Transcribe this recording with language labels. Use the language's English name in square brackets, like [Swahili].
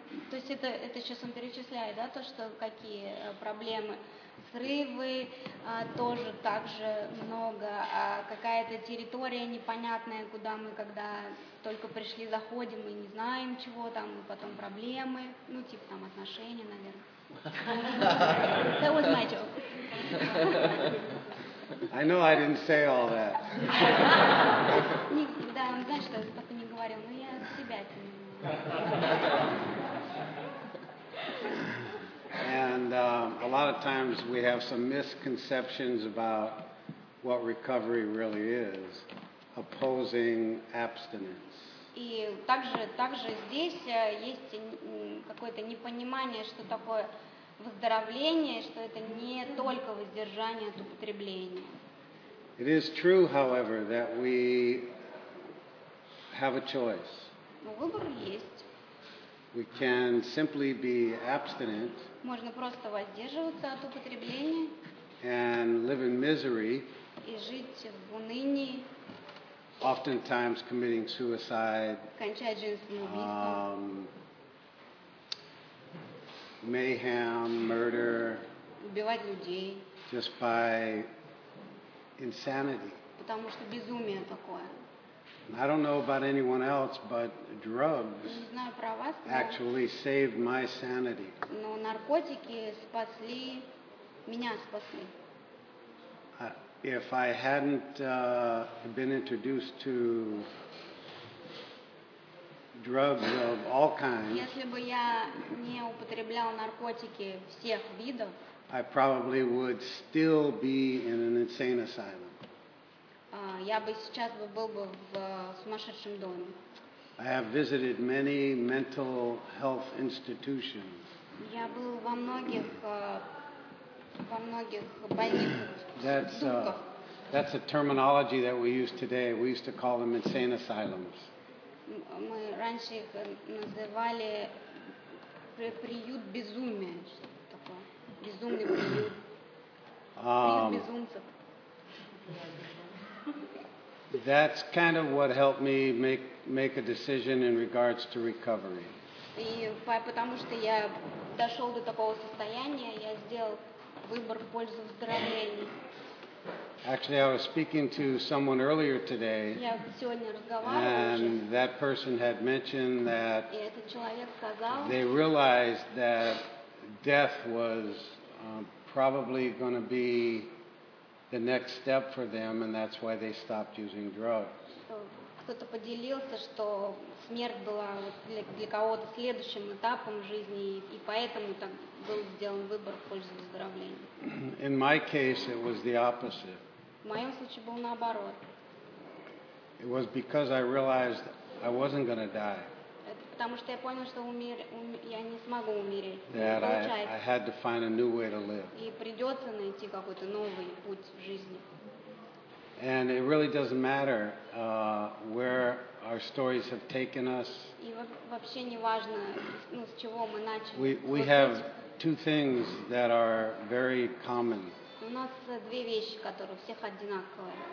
[Russian] То есть это сейчас он перечисляет, да, то, что какие проблемы, срывы тоже так же много, а какая-то территория непонятная, куда мы, когда только пришли, заходим и не знаем чего там, и потом проблемы, типа там отношения, наверное. [English] That was my joke. I know I didn't say all that. [Russian] Да, он знает, что я так и не говорил, но я себя тяну. [English] And a lot of times we have some misconceptions about what recovery really is, opposing abstinence. [Russian] И также здесь есть какое-то непонимание, что такое выздоровление, что это не только воздержание от употребления. [English] It is true, however, that we have a choice. [Russian] Выбор есть. [English] We can simply be abstinent. [Russian] Можно просто воздерживаться от употребления. [English] And live in misery. [Russian] И жить в унынии. [English] Oftentimes committing suicide. [Russian] Кончать жизнь самоубийством. [English] Mayhem, murder. [Russian] Убивать людей. [English] Just by insanity. [Russian] Потому что безумие такое. [English] I don't know about anyone else, but drugs actually saved my sanity. [Russian] Но наркотики спасли меня, спасли. [English] If I hadn't been introduced to drugs of all kinds, [Russian] если бы я не употреблял наркотики всех видов, [English] I probably would still be in an insane asylum. [Russian] Я бы сейчас был бы в сумасшедшем доме. [English] I have visited many mental health institutions. [Russian] Я был во многих больницах. [English] That's a terminology that we use today. We used to call them insane asylums. [Russian] Мы раньше их называли приют безумия. Безумный приют. Приют безумцев. [English] That's kind of what helped me make a decision in regards to recovery. [Russian] И потому что я дошел до такого состояния, я сделал выбор в пользу выздоровления. [English] Actually, I was speaking to someone earlier today, [Russian] я сегодня разговаривал, [English] and that person had mentioned that [Russian] и этот человек сказал, [English] they realized that death was probably going to be the next step for them, and that's why they stopped using drugs. [Russian] Кто-то поделился, что смерть была для кого-то следующим этапом жизни, и поэтому там был сделан выбор в пользу выздоровления. [English] In my case, it was the opposite. [Russian] В моем случае было наоборот. [English] It was because I realized I wasn't going to die. [Russian] Потому что я понял, что я не смогу умереть. [English] That I had to find a new way to live. [Russian] И придется найти какой-то новый путь в жизни. [English] And it really doesn't matter where our stories have taken us. [Russian] И вообще не важно, с чего мы начали. [English] We have two things that are very common. [Russian] У нас две вещи, которые у всех одинаковые.